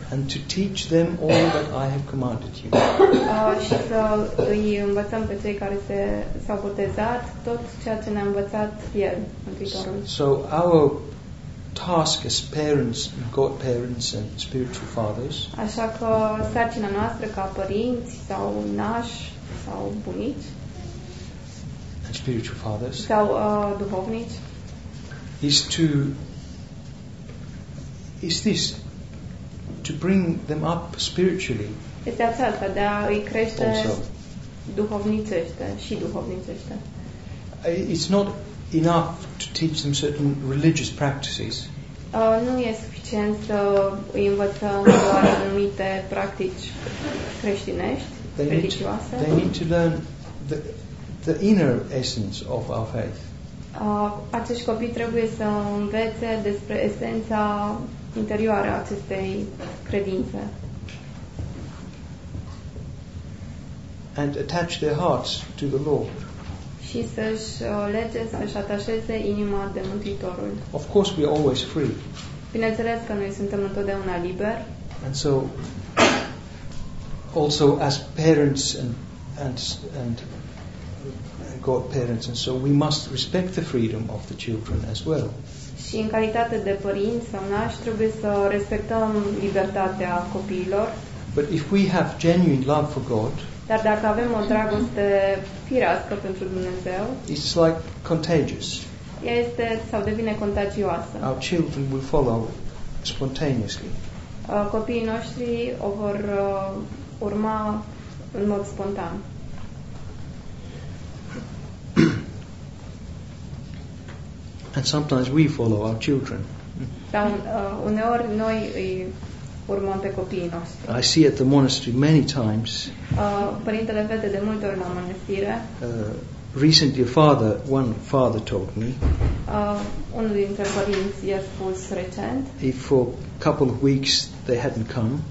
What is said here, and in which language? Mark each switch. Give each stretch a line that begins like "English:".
English: And to teach them all that I have commanded you.
Romanian: Și să îi învățăm pe cei care s-au botezat tot ceea ce ne-a învățat El, Mântuitorul.
English: So our task as parents, God parents and spiritual fathers.
Romanian: Așa că sarcina noastră ca părinți sau nași sau bunici
English: and spiritual fathers
Romanian: sau duhovnici
English: is to bring them up spiritually.
Romanian: Este aceasta, de a îi crește duhovnicește și duhovnicește.
English: It's not enough to teach them certain religious practices.
Romanian: Nu e suficient să îi învățăm doar anumite practici creștinești, religioase.
English: They need to learn the inner essence of our faith.
Romanian: Acești copii trebuie să învețe despre esența interioară a acestei credințe.
English: And attach their hearts to the Lord.
Romanian: Și să-și lege, să-și atașeze inima de Mântuitorul.
English: Of course we are always free.
Romanian: Bineînțeles că noi suntem întotdeauna liberi.
English: And so also as parents and godparents and so we must respect the freedom of the children as well.
Romanian: Și în calitate de părinți sau nași trebuie să respectăm libertatea copiilor.
English: But if we have genuine love for God,
Romanian: dar dacă avem o dragoste firească pentru Dumnezeu,
English: it's like contagious.
Romanian: Este sau devine contagioasă.
English: Our children will follow spontaneously.
Romanian: Copiii noștri o vor urma în mod spontan.
English: And sometimes we follow our children.
Romanian: Dar uneori noi îi urmăm pe copiii noștri.
English: I see at the monastery many times.
Romanian: Părintele vede de multe ori la mănăstire.
English: Recently one father told me.
Romanian: Unul dintre părinți i-a spus recent.
English: If for a couple of weeks they hadn't come.